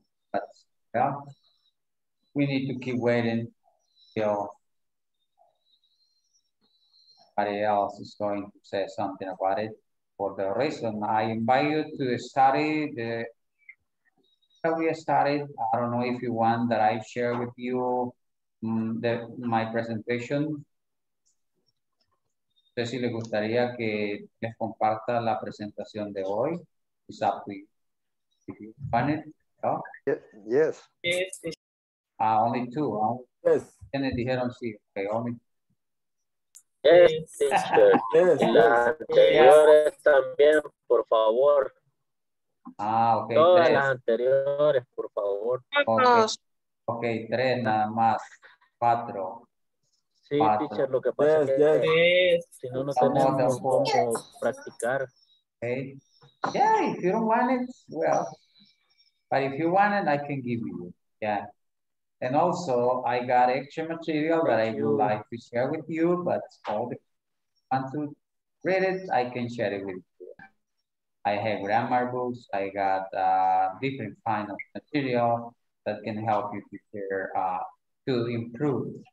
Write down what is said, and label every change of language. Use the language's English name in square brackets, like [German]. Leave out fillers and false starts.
[English] but yeah, we need to keep waiting till somebody else is going to say something about it. For the reason, I invite you to study the that we started. I don't know if you want that I share with you the, my presentation. [Spanish] No sé si le gustaría que les comparta la presentación de hoy. [English] It's up to you. If you find it, no? Yes. Only two. Huh? Yes. [Spanish] ¿Quiénes dijeron sí? [English] Okay, only. Yes, sister. [Spanish] Las anteriores también, por favor. [English] Ah, okay. [Spanish] Todas tres. Las anteriores, por favor. Okay. Okay, tres nada más. Cuatro. Sí, cuatro. Teacher, lo que pasa es que si no, no tenemos cómo practicar. [English] Okay. Yeah, if you don't want it, well. But if you want it, I can give you. Yeah. And also, I got extra material that I would like to share with you, but all the want to read it, I can share it with you. I have grammar books. I got different kind of material that can help you prepare to improve.